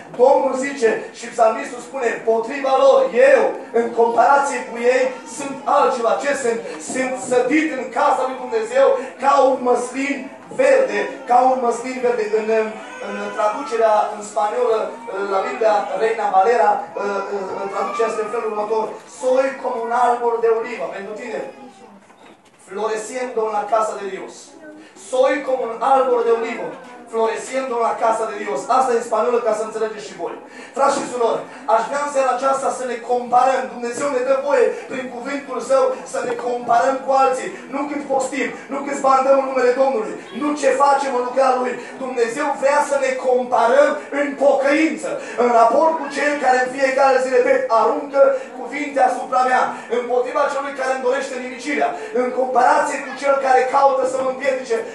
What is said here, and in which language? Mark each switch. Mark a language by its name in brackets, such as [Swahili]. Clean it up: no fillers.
[Romanian] Domnul zice și psalmistul spune, împotriva lor, eu în comparație cu ei sunt altceva. Ce sunt? Sunt sădit în casa lui Dumnezeu ca un măslin verde, ca un măslin verde. În traducerea în spaniolă la Biblia Reina Valera, traducerea este în felul următor. [Spanish] Soy como un árbol de oliva, [Romanian] pentru tine, [Spanish] floreciendo en la casa de Dios. Soy como un árbol de oliva, floreciendo en la casa de Dios. [Romanian] Asta e în spaniolă ca să înțelegeți și voi. Frați și surori, aș vrea în seara aceasta să ne comparăm. Dumnezeu ne dă voie prin cuvântul Său să ne comparăm cu alții. Nu cât postim, nu cât bandăm în numele Domnului, nu ce facem în lucrarea Lui. Dumnezeu vrea să ne comparăm în pocăință, în raport cu cel care în fiecare zi, repet, aruncă cuvinte asupra mea, împotriva celui care îmi dorește nimicirea, în comparație cu cel care caută să mă împiedice.